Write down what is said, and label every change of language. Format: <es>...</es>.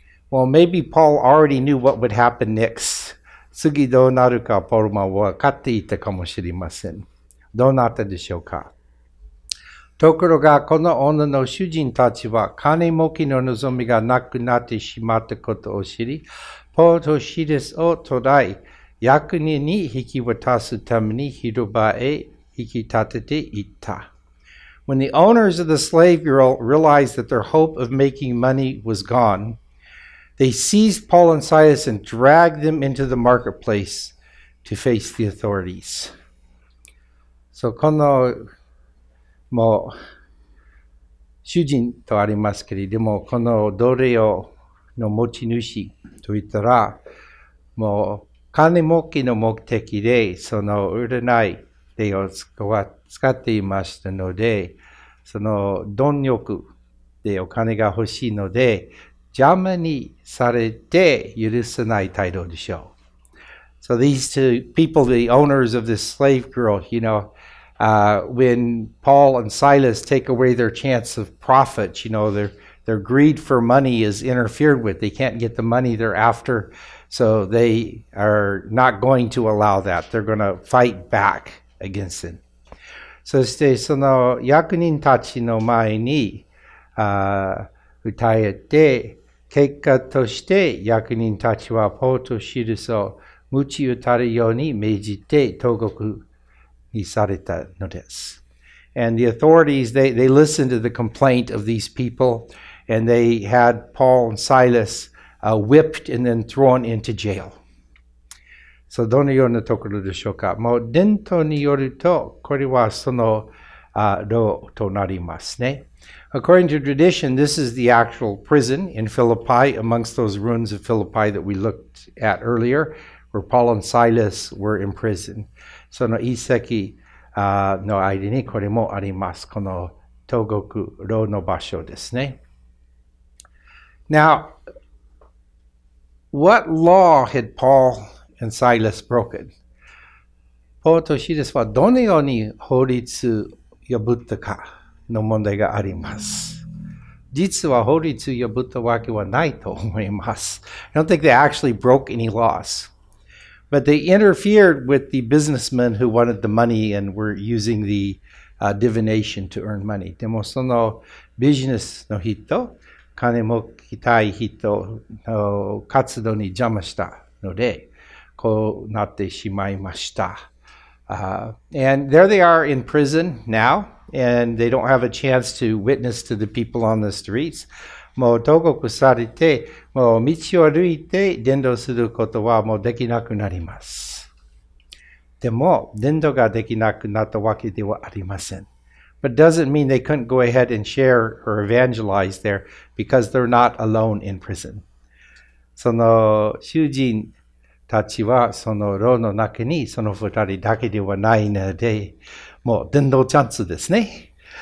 <en>Well, maybe Paul already knew what would happen next.</en> <ja>次どうなるかポールは分かっていたかもしれません。どうなったでしょうか?ところがこの女の主人たちは金儲けの望みがなくなってしまったことを知り、ポールとシルスを捕らえ、役人に引き渡すために広場へ引き立てていった。</ja> <en>When the owners of the slave girl realized that their hope of making money was gone,They seized Paul and Silas and dragged them into the marketplace to face the authorities.</en> <ja>So, この、もう、主人とありますけれども、この奴隷の持ち主といったら、もう、金儲けの目的で、その占い霊を使っていましたので、その貪欲でお金が欲しいので、邪魔にされて許せない態度でしょう。</ja> <en>So these two people, the owners of this slave girl, you know, when Paul and Silas take away their chance of profit, you know, their greed for money is interfered with. They can't get the money they're after, so they are not going to allow that. They're going to fight back against it.</en> <ja>そしてその役人たちの前に訴えて結果として役人たちはポールとシルスを鞭打たれるように命じて投獄にされたのです。</ja> <en>And the authorities, they listened to the complaint of these people and they had Paul and Silas whipped and then thrown into jail.</en> <ja>So どのようなところでしょうか?もう伝統によるとこれはその牢となりますね。</ja> <en>According to tradition, this is the actual prison in Philippi, amongst those ruins of Philippi that we looked at earlier, where Paul and Silas were in prison.</en> <ja>その遺跡の間にこれもあります。この投獄牢の場所ですね。</ja> <en>Now, what law had Paul and Silas broken?</en> <ja>ポールとシルスはどのように法律を破ったか? の問題があります。実は法律を破ったわけはないと思います。</ja> <en>I don't think they actually broke any laws. But they interfered with the businessmen who wanted the money and were using the divination to earn money.</en> <ja>でもそのビジネスの人、金儲けたい人の活動に邪魔したので、こうなってしまいました。</ja> <en>And there they are in prison now. and they don't have a chance to witness to the people on the streets.</en> <ja>もう投獄されて、もう道を歩いて伝道することはもうできなくなります。でも伝道ができなくなったわけではありません。</ja> <en>But doesn't mean they couldn't go ahead and share or evangelize there because they're not alone in prison.</en> <ja>その囚人たちはその牢の中にその二人だけではないので、もう伝道チャンスですね。</ja>